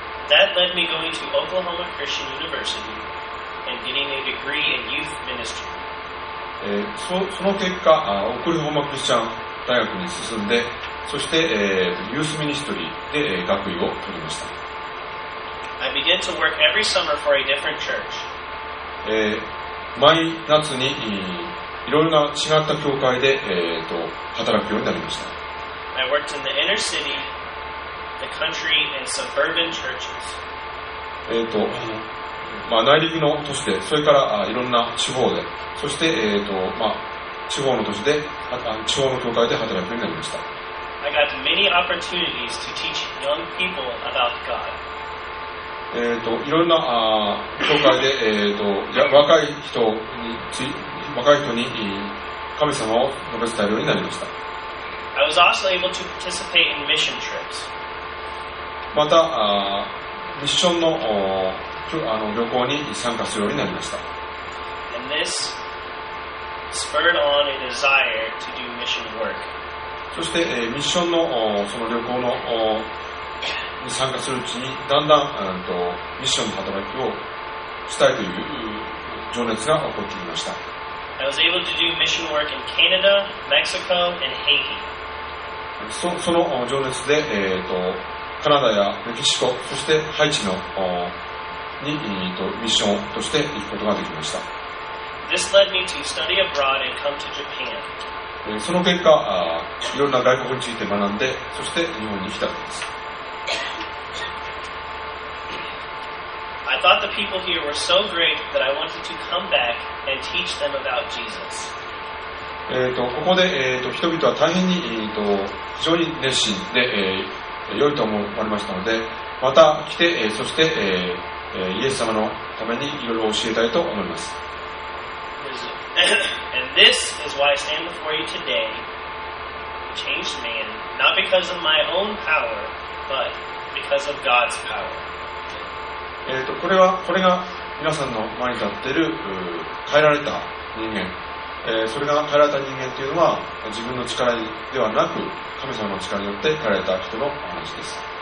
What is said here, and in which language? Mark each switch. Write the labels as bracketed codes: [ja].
[en] That led me going to Oklahoma Christian University and getting a degree in youth ministry. [ja] その結果、オクラホマクリスチャン大学に進んで、そして、ユースミニストリーで学位を取りました。 [en] I began to work every summer for a different church. [ja] 毎夏にいろいろな違った教会で、働くようになりました。 [en] I worked in the inner city, the country, and suburban churches. [ja] まあ、内陸の都市で、それからいろんな地方で、そして、まあ、地方の都市で、地方の教会で働くようになりました。 [en] I got many opportunities to teach young people about God. [ja] いろんな教会で、若い人に神様を述べ伝えるようになりました。 [en] I was also able to participate in mission trips. [ja] また、ミッションの旅行に参加するようになりました。 [en] And this spurred on a desire to do mission work. [ja] そして、ミッションのその旅行のに参加するうちに、だんだん、ミッションの働きをしたいという情熱が起こってきました。 [en] I was able to do mission work in Canada, Mexico, and Haiti. [ja] その情熱で、カナダやメキシコ、そしてハイチのにミッションとして行くことができました。 [en] This led me to study abroad and come to Japan. [ja] その結果、いろんな外国について学んで、そして日本に来たんです。 [en] I thought the people here were so great that I wanted to come back and teach them about Jesus. [ja] ここで、人々は大変に、非常に熱心で、良いと思われましたので、また来て、そして、イエス様のためにいろいろ教えたいと思います。 [en] And this is why I stand before you today, a changed man, not because of my own power, but because of God's power. [ja] これが皆さんの前に立っている変えられた人間、それが変えられた人間というのは自分の力ではなく神様の力によって変えられた人の話です。